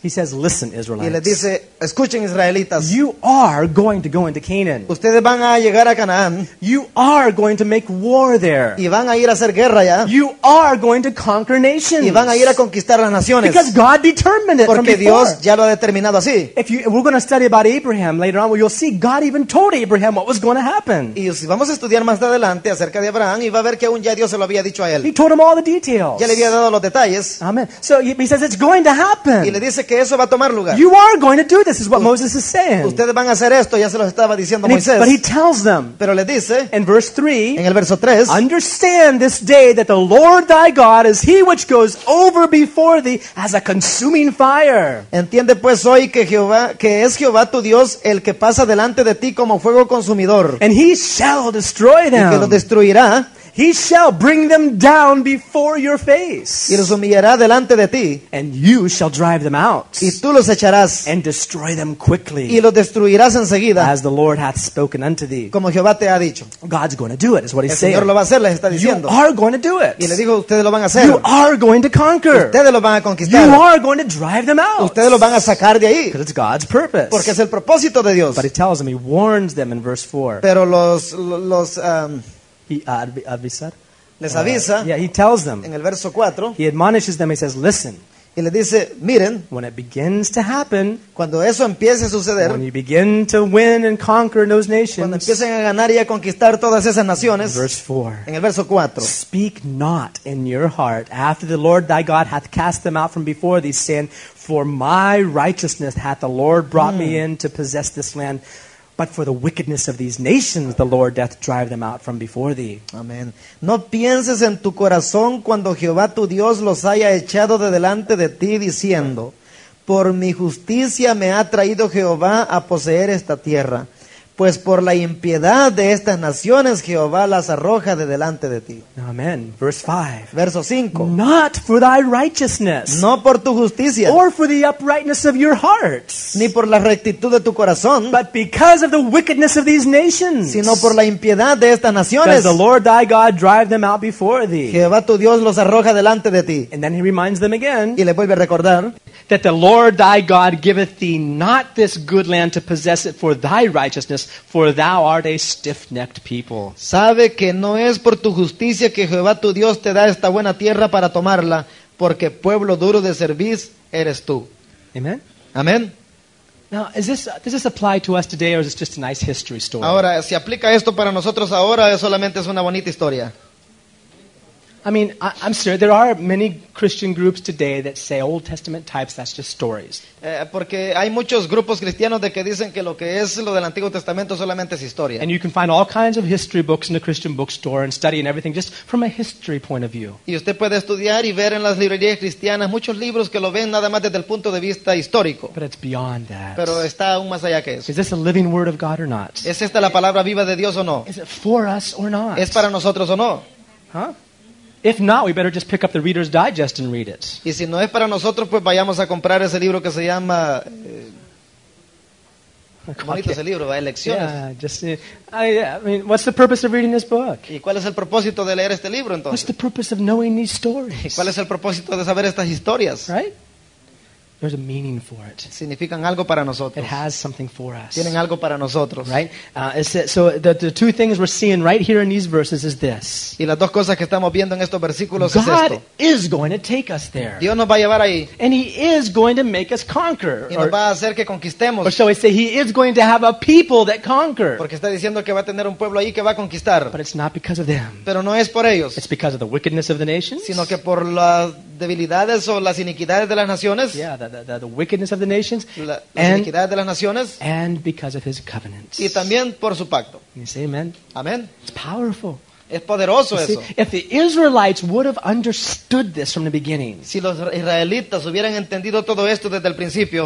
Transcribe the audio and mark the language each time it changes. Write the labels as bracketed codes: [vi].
[en] He says, "Listen, Israelites." [es] Y le dice, "Escuchen, israelitas." [en] You are going to go into Canaan. [es] Ustedes van a llegar a Canaán. [en] You are going to make war there. [es] Y van a ir a hacer guerra allá. [en] You are going to conquer nations. [es] Y van a ir a conquistar las naciones. [en] Because God determined it from before. [es] Porque Dios ya lo ha determinado así. [en] We're going to study about Abraham later on, where you'll see God even told Abraham what was going to happen. [es] Y si vamos a estudiar más adelante acerca de Abraham, y va a ver que aún ya Dios se lo había dicho a él. [en] He told him all the details. [es] le había dado los detalles. [en] Amen. So he says it's going to happen. [es] Y le dice que eso va a tomar lugar. [en] You are going to do this, is what Moses is saying. [es] Ustedes van a hacer esto, ya se los estaba diciendo Moisés. [en] But he tells them. [es] Pero le dice. [en] In verse 3. [es] En el verso 3. [en] Understand this day that the Lord thy God is he which goes over before thee as a consuming fire. [es] Entiende pues hoy que Jehová, que es Jehová tu Dios el que pasa delante de ti como fuego consumidor. [en] And he shall destroy them. [es] Y que los destruirá. [en] He shall bring them down before your face. [es] Y los humillará delante de ti. [en] And you shall drive them out. [es] Y tú los echarás. [en] And destroy them quickly. [es] Y los destruirás enseguida. [en] As the Lord hath spoken unto thee. [es] Como Jehová te ha dicho. [en] God's going to do it, is what he's saying. [es] El Señor lo va a hacer, les está diciendo. [en] You are going to do it. [es] Y le digo, ustedes lo van a hacer. [en] You are going to conquer. [es] Ustedes lo van a conquistar. [en] You are going to drive them out. [es] Ustedes lo van a sacar de ahí. [en] Because it's God's purpose. [es] Porque es el propósito de Dios. [en] But he tells them, he warns them in verse 4. [es] Pero los les avisa. [en] Yeah, he tells them. [es] En el verso 4, [en] he admonishes them. He says, "Listen." [es] Y le dice, "Miren." [en] When it begins to happen, [es] cuando eso empiece a suceder, [en] when you begin to win and conquer those nations, [es] cuando empiecen a ganar y a conquistar todas esas naciones. [en] Verse 4. [es] En el verso 4. [en] Speak not in your heart after the Lord thy God hath cast them out from before thee, saying, "For my righteousness hath the Lord brought me in to possess this land." But for the wickedness of these nations, the Lord doth drive them out from before thee. Amen. [es] No pienses en tu corazón cuando Jehová tu Dios los haya echado de delante de ti, diciendo, por mi justicia me ha traído Jehová a poseer esta tierra, pues por la impiedad de estas naciones Jehová las arroja de delante de ti. [en] Amen. Verse 5. [es] Verso 5. [en] Not for thy righteousness. [es] No por tu justicia. [en] Or for the uprightness of your heart. [es] Ni por la rectitud de tu corazón. [en] But because of the wickedness of these nations. [es] Sino por la impiedad de estas naciones. [en] Does the Lord thy God drive them out before thee. [es] Jehová tu Dios los arroja delante de ti. [en] And then he reminds them again. [es] Y le vuelve a recordar. [en] That the Lord thy God giveth thee not this good land to possess it for thy righteousness, for thou art a stiff-necked people. [es] Sabe que no es por tu justicia que Jehová tu Dios te da esta buena tierra para tomarla, porque pueblo duro de cerviz eres tú. [en] Amen. [es] Amen. [en] Now, does this apply to us today, or is this just a nice history story? [es] Ahora, si aplica esto para nosotros ahora, solamente es una bonita historia. [en] I mean, I'm sure there are many Christian groups today that say Old Testament types, that's just stories. [es] Porque hay muchos grupos cristianos de que dicen que lo que es lo del Antiguo Testamento solamente es historia. [en] And you can find all kinds of history books in the Christian bookstore and study and everything just from a history point of view. [es] Y usted puede estudiar y ver en las librerías cristianas muchos libros que lo ven nada más desde el punto de vista histórico. [en] But it's beyond that. [es] Pero está aún más allá que eso. [en] Is this a living word of God or not? [es] ¿Es esta la palabra viva de Dios o no? [en] Is it for us or not? [es] ¿Es para nosotros o no? [en] Huh? If not, we better just pick up the Reader's Digest and read it. [es] Y si no es para nosotros, pues vayamos a comprar ese libro que se llama. Bonito ese libro, Elecciones. [en] I mean, what's the purpose of reading this book? [es] ¿Y cuál es el propósito de leer este libro entonces? [en] What's the purpose of knowing these stories? [es] ¿Cuál es el propósito de saber estas historias? [en] Right. There's a meaning for it. [es] Significan algo para nosotros. [en] It has something for us. [es] Tienen algo para nosotros. [en] Right? So the two things we're seeing right here in these verses is this. [es] Y las dos cosas que estamos viendo en estos versículos es esto. [en] God is going to take us there. [es] Dios nos va a llevar ahí. [en] And he is going to make us conquer. [es] Y nos va a hacer que conquistemos. [en] Or shall we say, he is going to have a people that conquer. [es] Porque está diciendo que va a tener un pueblo ahí que va a conquistar. [en] But it's not because of them. [es] Pero no es por ellos. [en] It's because of the wickedness of the nations. [es] Sino que por las debilidades o las iniquidades de las naciones. [en] Yeah, the wickedness of the nations, [es] iniquidades de las naciones, [en] and because of his covenant. [es] Y también por su pacto. [en] You say amen. [es] Amen. [en] It's powerful. [es] Es poderoso eso. [en] If the Israelites would have understood this from the beginning, [es] si los israelitas hubieran entendido todo esto desde el principio,